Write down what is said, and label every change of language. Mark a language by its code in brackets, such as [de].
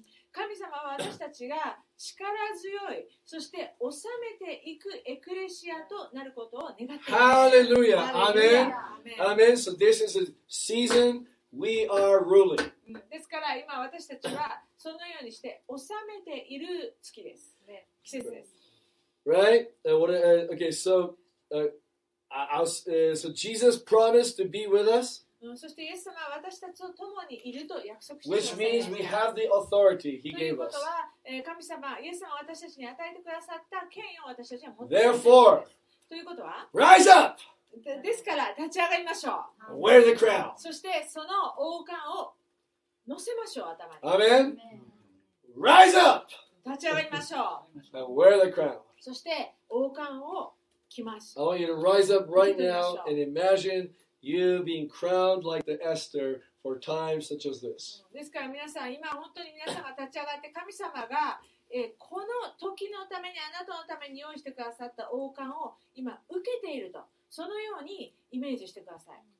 [ja] 神様は私たちが力強い、そして治めていくエクレシアとなることを願っています。ハレルヤ、アメン、アメン。 [en] So this is a season we are ruling. [ja] ですから今私たちはそのようにして治めている月です、ね、季節です。 [en] Right? Okay. So, so Jesus promised to be with us. [ja] そしてイエス様は私たちと共にいると約束してください。 [en] Which means we have the authority he gave us. [ja] ということは、神様、イエス様は私たちに与えてくださった権威を私たちは持っています。 [en] Therefore, [ja] ということは、 [en] rise up! [ja] ですから立ち上がりましょう。 [en] Wear the crown. [ja] そしてその王冠を乗せましょう、頭に。 [en] Amen. Rise up! [ja] 立ち上がりましょう。 [en] Wear the crown. [ja] そして王冠を着ます。 [en] I want you to rise up right now and imagine. You being crowned like the Esther for times such as this. [ja] ですから皆さん、今本当に皆さんが立ち上がって、神様が、この時のために、あなたのために用意してくださった王冠を今受けていると、そのようにイメージしてください。